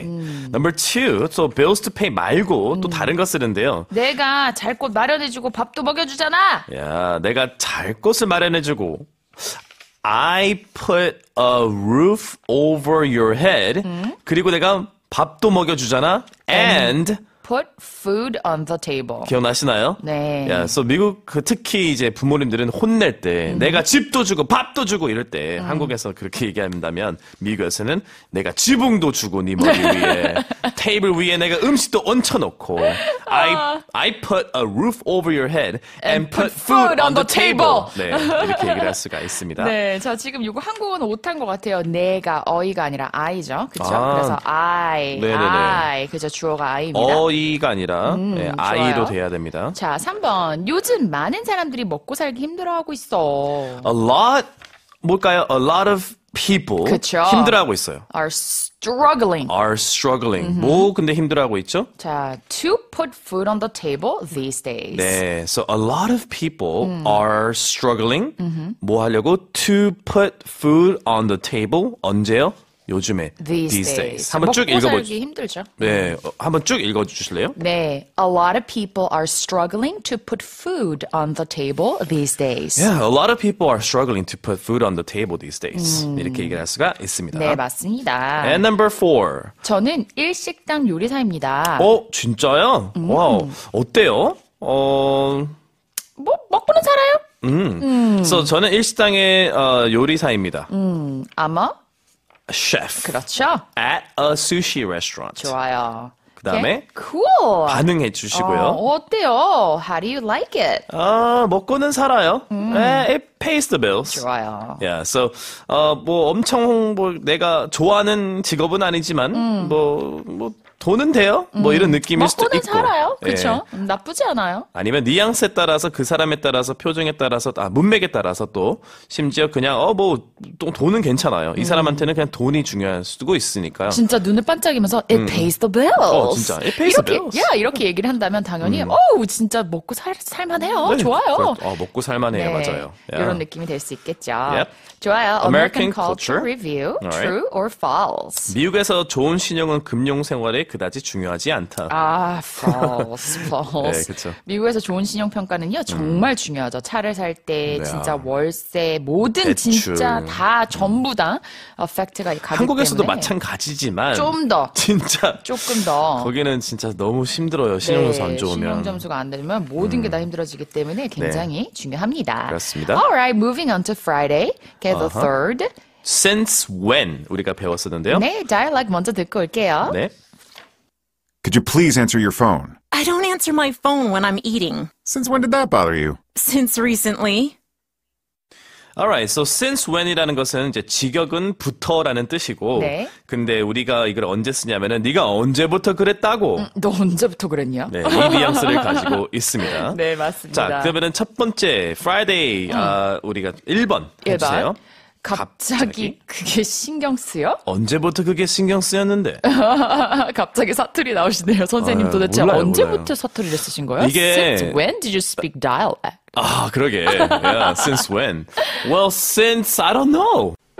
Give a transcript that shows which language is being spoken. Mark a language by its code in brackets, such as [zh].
[en] Number two, so bills to pay [ko] 말고 또 다른 거 쓰는데요. 내가 잘곳 마련해주고 밥도 먹여주잖아. 야, 내가 잘 곳을 마련해주고. [en] I put a roof over your head. [ko] 그리고 내가 밥도 먹여주잖아. [en] And Put food on the table. [ko] 기억나시나요? 네. [en] Yeah, so [ko] 미국 그 특히 이제 부모님들은 혼낼 때 내가 집도 주고 밥도 주고 이럴 때 한국에서 그렇게 얘기한다면 미국에서는 내가 지붕도 주고 네 머리 위에 테이블 위에 내가 음식도 얹혀놓고 [en] I put a roof over your head and put food on the table. [ko] 네, 이렇게 얘기를 할 수가 있습니다. 네, 저 지금 이거 한국어는 못한 것 같아요. 내가 어이가 아니라 I죠. 그렇죠? 그래서 네네네. I. 그죠? 주어가 I입니다. 어이가 아니라 네, 아이로 돼야 됩니다. 자, 3번. 요즘 많은 사람들이 먹고 살기 힘들어하고 있어. [en] A lot [ko] 뭘까요? [en] A lot of people [ko] 그쵸? 힘들어하고 있어요. [en] Are struggling. Are struggling. [ko] 뭐 근데 힘들어하고 있죠? [en] 자, to put food on the table these days. 네, so a lot of people are struggling. [ko] 뭐 하려고? [en] To put food on the table. [ko] 언제요? 요즘에 [en] these days. [ko] 한번 쭉 읽어보 살기 힘들죠. 네, 한번 쭉 읽어주실래요? [en] 네, a lot of people are struggling to put food on the table these days. Yeah, a lot of people are struggling to put food on the table these days. [ko] 이렇게 얘기할 수가 있습니다. 네, 맞습니다. [en] And number four. [ko] 저는 일식당 요리사입니다. 어, 진짜요? 와우, 어때요? 뭐 먹고는 살아요. 그래서 저는 일식당의 요리사입니다. 아마 [en] chef. [ko] 그렇죠. [en] At a sushi restaurant. [ko] 좋아요. 그 다음에 [en] cool. [ko] 반응해 주시고요. 어때요? [en] How do you like it? [ko] 먹고는 살아요. [en] It pays the bills. [ko] 좋아요. [en] Yeah, so [ko] 뭐 엄청 뭐 내가 좋아하는 직업은 아니지만 뭐 돈은 돼요? 뭐 이런 느낌일 수도 먹고는 있고. 먹고는 살아요. 그렇죠. 예. 나쁘지 않아요. 아니면 뉘앙스에 따라서 그 사람에 따라서 표정에 따라서 문맥에 따라서 또 심지어 그냥 뭐 돈은 괜찮아요. 이 사람한테는 그냥 돈이 중요할 수도 있으니까요. 진짜 눈을 반짝이면서 [en] It pays the bills. 진짜 It pays 이렇게, the bills. [ko] 야, 이렇게 얘기를 한다면 당연히 오우, 진짜 먹고 살만해요. 네. 좋아요. 먹고 살만해요. 네. 맞아요. 이런 yeah. 느낌이 될 수 있겠죠. [en] Yep. [ko] 좋아요. [en] American Culture Review. Alright. True or false? [ko] 미국에서 좋은 신용은 금융 생활에 그다지 중요하지 않다. [en] 아, false, false. [ko] 네, 그렇죠. 미국에서 좋은 신용 평가는요 정말 중요하죠. 차를 살 때, 진짜 월세, 모든 대출. 진짜 다 전부 다 affect가 가기 때문에. 한국에서도 마찬가지지만 좀 더 진짜 조금 더 거기는 진짜 너무 힘들어요. 신용점수 네, 안 좋으면 신용점수가 안 되면 모든 게다 힘들어지기 때문에 굉장히 네. 중요합니다. 그렇습니다. [en] Alright, moving on to Friday. Okay, the third. Since when [ko] 우리가 배웠었는데요? 네, dialogue 먼저 듣고 올게요. 네. [en] Could you please answer your phone? I don't answer my phone when I'm eating. Since when did that bother you? Since recently. Alright, so [ko] since when이라는 것은 이제 직역은 부터라는 뜻이고, 네. 근데 우리가 이걸 언제 쓰냐면은 네가 언제부터 그랬다고. 너 언제부터 그랬냐? 네, 이 뉘앙스를 가지고 있습니다. 네, 맞습니다. 자, 그러면은 첫 번째 Friday 우리가 1번 해주세요. 갑자기 그게 신경 쓰여? 언제부터 그게 신경 쓰였는데? 갑자기 사투리 나오시네요. 선생님 도대체 몰라요, 언제부터 몰라요. 사투리 를 쓰신 거예요? 이게... [en] Since when did you speak dialect? [ko] 아, 그러게. [en] Yeah, since when? Well, since I don't know.